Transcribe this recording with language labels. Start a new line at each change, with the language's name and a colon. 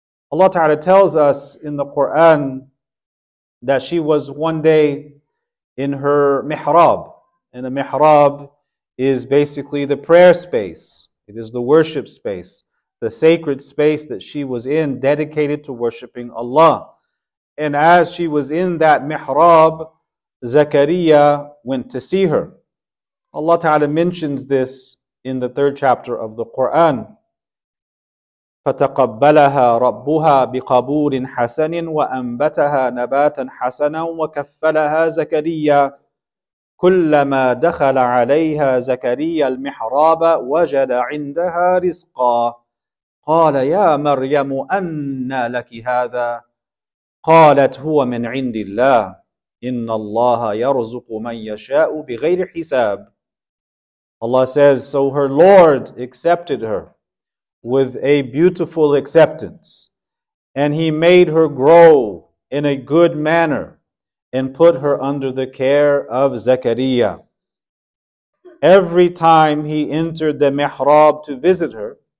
English: Allah Ta'ala tells us in the Quran that she was one day in her mihrab, and a mihrab is basically the prayer space, it is the worship space, the sacred space that she was in, dedicated to worshiping Allah. And as she was in that mihrab, Zakariya went to see her. Allah Ta'ala mentions this in the third chapter of the Quran.
Arabic: فَتَقَبَّلَهَا رَبُّهَا بِقَبُولٍ حَسَنٍ وَأَنْبَتَهَا نَبَاتًا حَسَنًا وَكَفَّلَهَا زَكَرِيَّا كُلَّمَا دَخَلَ عَلَيْهَا زَكَرِيَّا الْمِحْرَابَ وَجَدَ عِنْدَهَا رِزْقًا قال يا مريم أن لك هذا قالت هو من عند الله إن الله يرزق من يشاء بغير حساب.
English: Allah says, so her Lord accepted her with a beautiful acceptance, and he made her grow in a good manner and put her under the care of Zakaria. Every time he entered the mihrab to visit her,